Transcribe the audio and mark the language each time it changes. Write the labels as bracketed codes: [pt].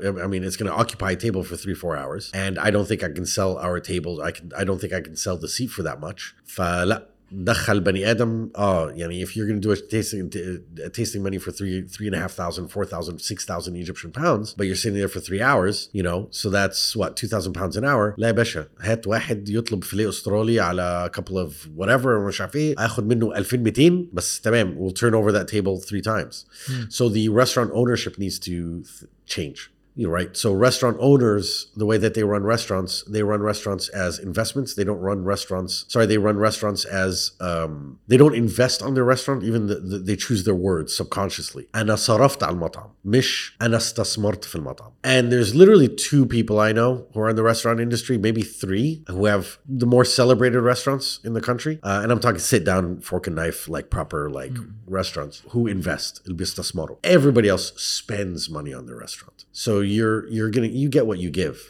[en] I mean, it's going to occupy a table for 3-4 hours. And I don't think I can sell our table. I don't think I can sell the seat for that much. [ar] فلا دخل بني آدم. [en] Oh, يعني if you're going to do a tasting menu for 3,500, 4,000, 6,000 Egyptian pounds, but you're sitting there for 3 hours, you know, so that's what, 2,000 pounds an hour. [ar] لا باشا هات واحد يطلب فيلي أسترالي على [en] a couple of whatever [ar] مش عارف ايه اخذ منه 2,200 بس تمام, [en] we'll turn over that table 3 times. So the restaurant ownership needs to change. You're right. So restaurant owners, the way that they run restaurants as investments. They run restaurants as, they don't invest on their restaurant. Even they choose their words subconsciously. [ar] أنا صرفت على المطعم, مش أنا استثمرت في المطعم. [en] And there's literally 2 people I know who are in the restaurant industry, maybe 3, who have the more celebrated restaurants in the country. And I'm talking sit down, fork and knife, like proper like restaurants who invest. [ar] بيستثمروا. [en] Everybody else spends money on their restaurant. So you get what you give.